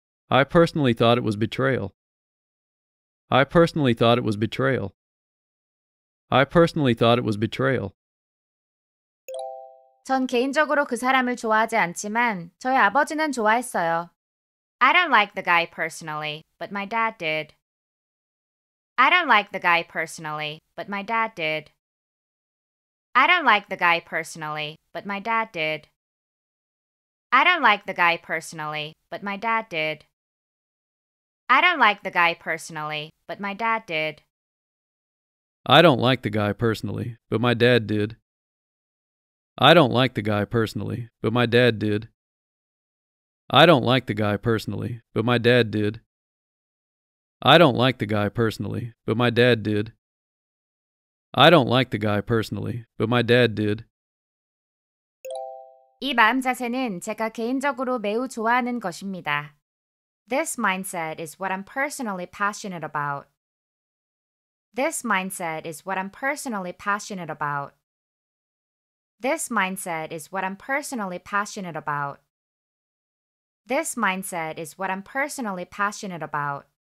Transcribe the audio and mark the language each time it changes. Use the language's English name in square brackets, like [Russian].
[English] I personally thought it was betrayal. I personally thought it was betrayal. I personally thought it was betrayal. [Korean] 전 개인적으로 그 사람을 좋아하지 않지만 저희 아버지는 좋아했어요. [English] I don't like the guy personally, but my dad did. I don't like the guy personally, but my dad did. I don't like the guy personally, but my dad did. I don't like the guy personally, but my dad did. I don't like the guy personally, but my dad did. I don't like the guy personally, but my dad did. I don't like the guy personally, but my dad did. I don't like the guy personally, but my dad did. I don't like the guy personally, but my dad did. I don't like the guy personally, but my dad did. [Korean] 이 마음 자세는 제가 개인적으로 매우 좋아하는 것입니다. [English] This mindset is what I'm personally passionate about. This mindset is what I'm personally passionate about. This mindset is what I'm personally passionate about. This mindset is what I'm personally passionate about.